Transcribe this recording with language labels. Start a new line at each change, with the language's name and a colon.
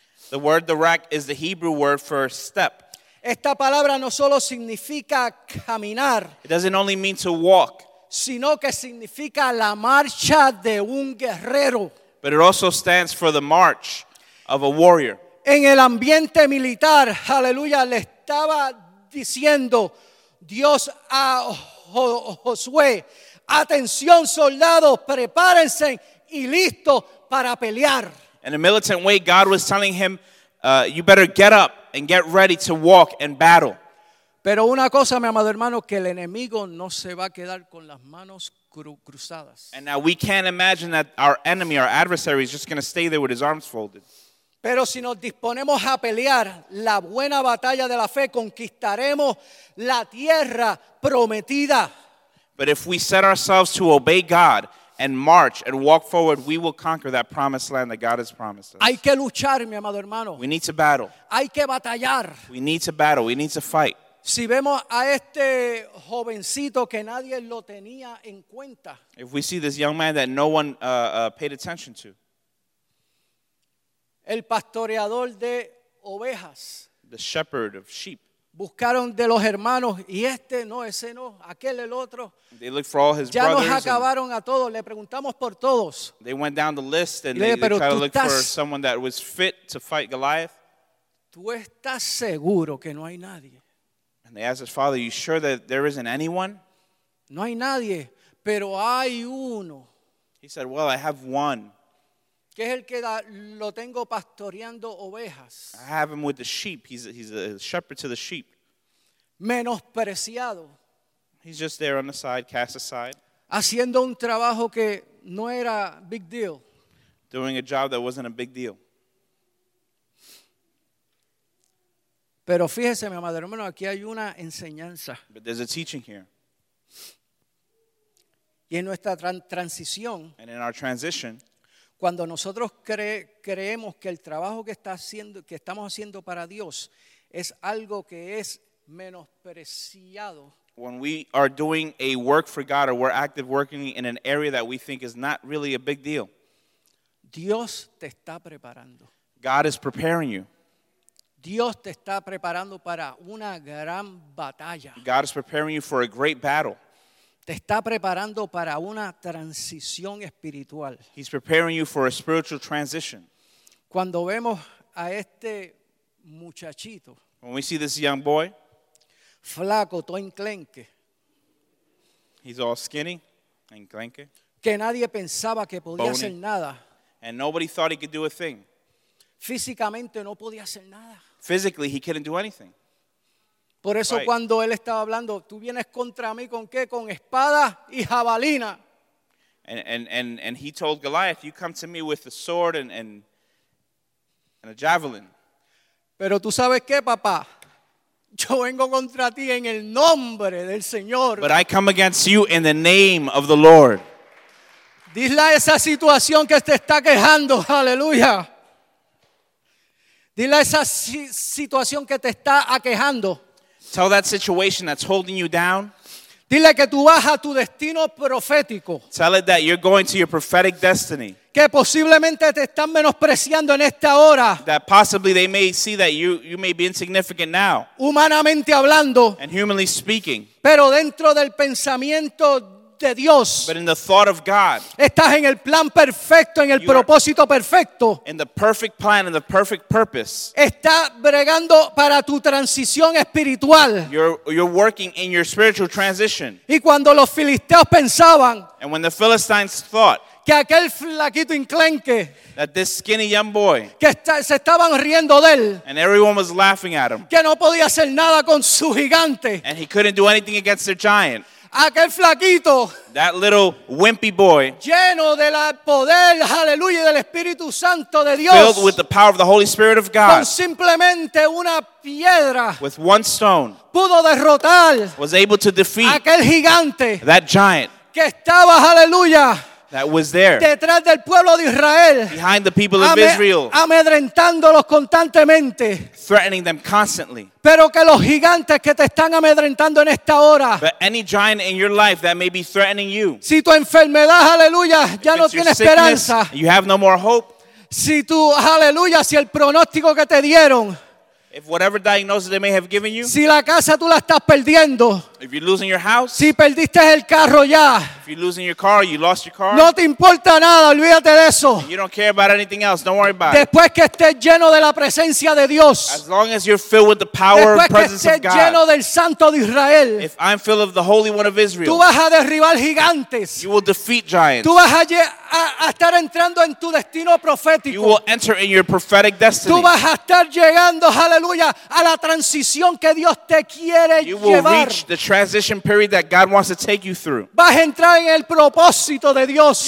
English: The word darak is the Hebrew word for step.
Spanish: Esta palabra no solo significa caminar.
English: It doesn't only mean to walk.
Spanish: Sino que significa la marcha de un guerrero.
English: But it also stands for the march of a warrior.
Spanish: En el ambiente militar, aleluya, le estaba diciendo Dios a Josué, atención soldados, prepárense y listo para pelear.
English: In a militant way, God was telling him, you better get up and get ready to walk and battle.
Spanish: Pero una cosa, mi amado hermano, que el enemigo no se va a quedar con las manos cruzadas.
English: And now we can't imagine that our enemy, our adversary, is just going to stay there with his arms folded.
Spanish: Pero si nos disponemos a pelear la buena batalla de la fe, conquistaremos la tierra prometida.
English: But if we set ourselves to obey God and march and walk forward, we will conquer that promised land that God has promised us.
Spanish: Hay que luchar, mi amado hermano.
English: We need to battle.
Spanish: Hay que batallar.
English: We need to battle. We need to fight.
Spanish: Si vemos a este jovencito que nadie lo tenía en cuenta.
English: If we see this young man that no one paid attention to.
Spanish: El pastoreador de ovejas.
English: The shepherd of sheep.
Spanish: Buscaron de los hermanos y este no, ese no, aquel el otro.
English: They looked for all his
Spanish: ya
English: brothers.
Spanish: Ya nos acabaron a todos, le preguntamos por todos.
English: They went down the list and they tried to look for someone that was fit to fight Goliath.
Spanish: ¿Tú estás seguro que no hay nadie?
English: And they asked his father, "You sure that there isn't anyone?"
Spanish: No hay nadie, pero hay uno.
English: He said, "Well, I have one."
Spanish: Que es el que lo tengo pastoreando ovejas.
English: I have him with the sheep. He's a shepherd to the sheep.
Spanish: Menospreciado.
English: He's just there on the side, cast aside.
Spanish: Haciendo un trabajo que no era
English: big deal. Doing a job that wasn't a big deal.
Spanish: Pero fíjese, mi amado hermano, aquí hay una enseñanza.
English: But there's a teaching here.
Spanish: Y en nuestra transición.
English: And in our transition.
Spanish: Cuando nosotros creemos que el trabajo que está haciendo, que estamos haciendo para Dios es algo que es menospreciado.
English: When we are doing a work for God or we're active working in an area that we think is not really a big deal.
Spanish: Dios te está preparando.
English: God is preparing you.
Spanish: Dios te está preparando para una gran batalla.
English: God is preparing you for a great battle.
Spanish: Te está preparando para una transición espiritual.
English: He's preparing you for a spiritual transition.
Spanish: Cuando vemos a este muchachito.
English: When we see this young boy.
Spanish: Flaco, todo enclenque.
English: He's all skinny.
Spanish: Enclenque. Que nadie pensaba que podía hacer nada.
English: And nobody thought he could do a thing.
Spanish: Físicamente no podía hacer nada.
English: Physically, he couldn't do anything.
Spanish: Por eso
English: right.
Spanish: cuando él estaba hablando, tú vienes contra mí con qué, con espada y jabalina.
English: And he told Goliath, you come to me with a sword and a javelin.
Spanish: Pero tú sabes qué, papá, yo vengo contra ti en el nombre del Señor.
English: But I come against you in the name of the Lord.
Spanish: Dile a esa situación que te está quejando, aleluya. Dile a esa situación que te está aquejando.
English: Tell that situation that's holding you down.
Spanish: Dile que tú vas a tu destino profético.
English: Tell it that you're going to your prophetic destiny.
Spanish: Que posiblemente te están menospreciando en esta hora.
English: That possibly they may see that you may be insignificant now.
Spanish: Humanamente hablando.
English: And humanly speaking.
Spanish: Pero dentro del pensamiento de Dios.
English: But in the thought of God.
Spanish: Estás en el plan perfecto, en el propósito perfecto.
English: In the perfect plan, in the perfect purpose.
Spanish: Está bregando para tu transición espiritual.
English: You're working in your spiritual transition.
Spanish: Y cuando los filisteos pensaban.
English: And when the Philistines thought.
Spanish: Que aquel flaquito inclenque,
English: that this skinny young boy,
Spanish: que se estaban riendo de él,
English: and everyone was laughing at him,
Spanish: que no podía hacer nada con su gigante,
English: and he couldn't do anything against the giant,
Spanish: aquel flaquito,
English: that little wimpy boy,
Spanish: lleno de la poder, aleluya, del Espíritu Santo de Dios,
English: filled with the power of the Holy Spirit of God,
Spanish: con simplemente una piedra,
English: with one stone,
Spanish: pudo derrotar,
English: was able to defeat
Spanish: aquel gigante,
English: that giant,
Spanish: que estaba, aleluya.
English: That was there.
Spanish: Detrás del pueblo de Israel.
English: Behind the people of Israel.
Spanish: Amedrentándolos constantemente.
English: Threatening them constantly.
Spanish: Pero que los gigantes que te están amedrentando en esta hora.
English: But any giant in your life that may be threatening you.
Spanish: Si tu enfermedad, aleluya, ya no tiene esperanza.
English: You have no more hope.
Spanish: Si tu, aleluya, si el pronóstico que te dieron.
English: If whatever diagnosis they may have given you.
Spanish: Si la casa tú la estás perdiendo.
English: If you're losing your house.
Spanish: Si perdiste el carro ya.
English: If you're losing your car, you lost your car.
Spanish: No te importa nada, olvídate de eso.
English: You don't care about anything else, don't worry about it.
Spanish: Después que estés lleno de la presencia de Dios.
English: As long as you're filled with the power
Spanish: Después
English: and presence
Spanish: que estés
English: of God.
Spanish: Lleno del Santo de Israel.
English: If I'm filled with the Holy One of Israel.
Spanish: Tú vas a derribar gigantes.
English: You will defeat giants.
Spanish: Tú vas a estar entrando en tu destino profético.
English: You will enter in your prophetic destiny.
Spanish: Tú vas a estar llegando, aleluya, a la transición que Dios te quiere
English: you will
Spanish: llevar.
English: Reach the transition period that God wants to take you through.
Spanish: Vas a entrar en el propósito de Dios.